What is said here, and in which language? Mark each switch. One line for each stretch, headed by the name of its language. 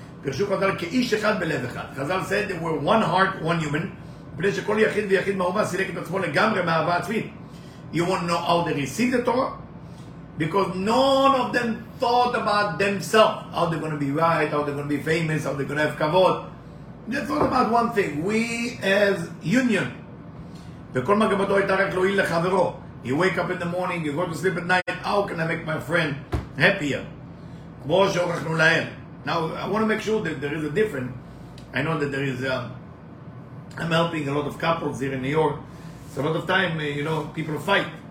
Hebrew: פרשו חזל כאיש אחד בלב אחד. חזל
English: said they were one heart, one human,
Hebrew: בפני שכל יחיד ויחיד מהאומה סילק את עצמו לגמרי מהאהבה עצמית.
English: You won't know how they receive the Torah? Because none of them thought about themselves. How they're going to be right, how they're going to be famous, how they're going to have kavod. They thought about one thing. We as union.
Hebrew: וכל מגמתו הייתה רק להועיל לחברו.
English: You wake up in the morning, you go to sleep at night. How can I make my friend happier?
Hebrew: כמו שהוכחנו להם.
English: Now, I want to make sure that there is a difference. I know that there is a... I'm helping a lot of couples here in New York. So a lot of time, you know, people fight.